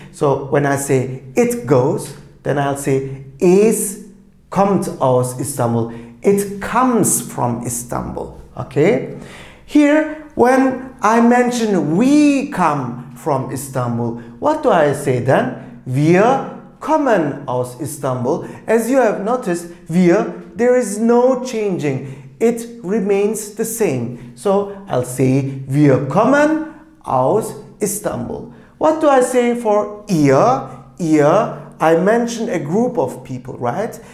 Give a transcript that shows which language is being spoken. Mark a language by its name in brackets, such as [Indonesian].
[English] So when I say it goes, then I'll say [German] is kommt aus Istanbul. [English] It comes from Istanbul, okay? Here, when I mention we come from Istanbul, what do I say then? [German] Wir kommen aus Istanbul. [English] As you have noticed, wir, there is no changing. It remains the same. So I'll say [German] wir kommen aus Istanbul. [English] What do I say for ihr? Ihr, I mentioned a group of people, right?